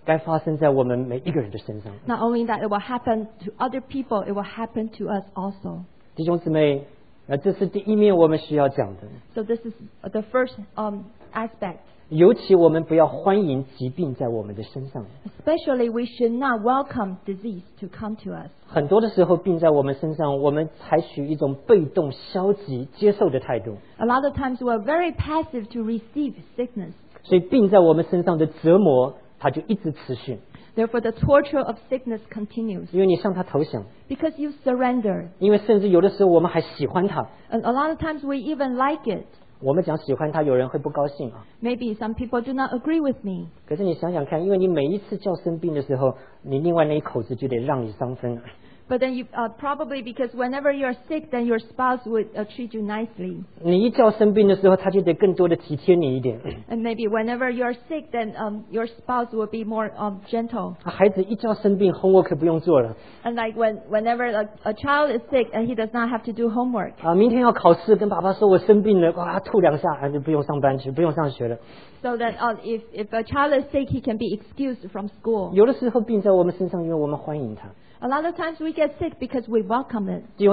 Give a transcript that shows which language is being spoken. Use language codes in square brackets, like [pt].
[zh] 不仅仅该发生在别人的身上，该发生在我们每一个人的身上。 [en] Not only that it will happen to other people, it will happen to us also. [zh] 弟兄姊妹。 [en] So this is the first aspect. [zh] 尤其我们不要欢迎疾病在我们的身上。 [en] Especially we should not welcome disease to come to us. [zh] 很多的时候病在我们身上，我们采取一种被动、消极、接受的态度。 [en] A lot of times we are very passive to receive sickness. [zh] 所以病在我们身上的折磨，它就一直持续。 [en] Therefore, the torture of sickness continues. [zh] 因为你向他投降, [en] because you surrender. [zh] 因为甚至有的时候我们还喜欢他, [en] and a lot of times we even like it. [zh] 我们讲喜欢他有人会不高兴啊, [en] maybe some people do not agree with me. [zh] 可是你想想看, 因为你每一次叫生病的时候, 你另外那一口子就得让你伤分。 [en] But then you probably because whenever you're sick, then your spouse would treat you nicely. [zh] 你一叫生病的时候, 他就得更多的体贴你一点。 [en] And maybe whenever you're sick, then your spouse will be more gentle. [zh] 孩子一叫生病, homework可不用做了。 [en] And like whenever a child is sick and he does not have to do homework. [zh] 明天要考试, 跟爸爸说我生病了, 哇, 吐两下, 就不用上班去，不用上学了。 [en] So that if a child is sick, he can be excused from school. [zh] 有的时候病在我们身上, 因为我们欢迎他。 [en] A lot of times we get sick because we welcome it.